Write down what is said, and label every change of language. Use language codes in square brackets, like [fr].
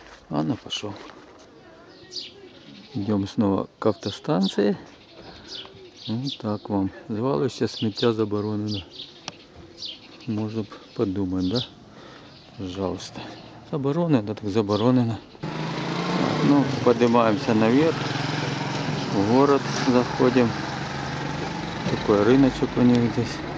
[ru] Ладно, пошел. Идем снова к автостанции. Вот так вам. [uk] Звалище смеття заборонено. [ru] Можно подумать, да? Пожалуйста. [uk] Заборонено, так заборонено. [ru] Ну, поднимаемся наверх. В город заходим. Такой рыночек у них здесь.